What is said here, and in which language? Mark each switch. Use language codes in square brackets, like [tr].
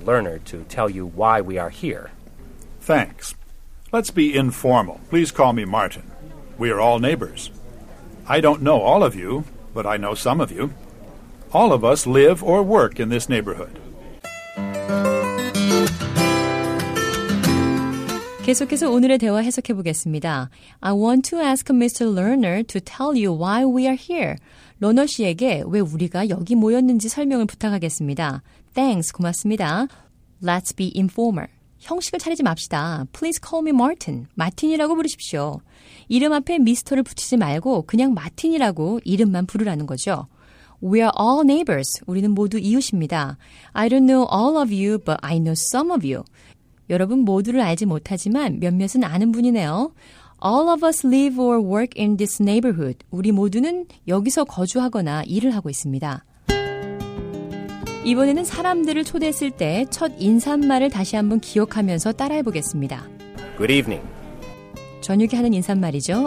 [en] Lerner to tell you why we are here. Thanks. Let's be informal. Please call me Martin. We are all neighbors. I don't know all of you, but I know some of you. All of us live or work in this neighborhood. [ko] 계속해서 오늘의 대화 해석해 보겠습니다. [en] I want to ask Mr. Lerner to tell you why we are here. [ko] 러너 씨에게 왜 우리가 여기 모였는지 설명을 부탁하겠습니다. [en] Thanks, [ko] 고맙습니다. [en] Let's be informal. [ko] 형식을 차리지 맙시다. [en] Please call me Martin. [ko] 마틴이라고 부르십시오. 이름 앞에 미스터를 붙이지 말고 그냥 마틴이라고 이름만 부르라는 거죠. [en] We are all neighbors. [ko] 우리는 모두 이웃입니다. [en] I don't know all of you, but I know some of you. [ko] 여러분 모두를 알지 못하지만 몇몇은 아는 분이네요. [en] All of us live or work in this neighborhood. [ko] 우리 모두는 여기서 거주하거나 일을 하고 있습니다. 이번에는 사람들을 초대했을 때 첫 인사말을 다시 한번 기억하면서 따라해보겠습니다. [en] Good evening. [ko] 저녁에 하는 인사말이죠.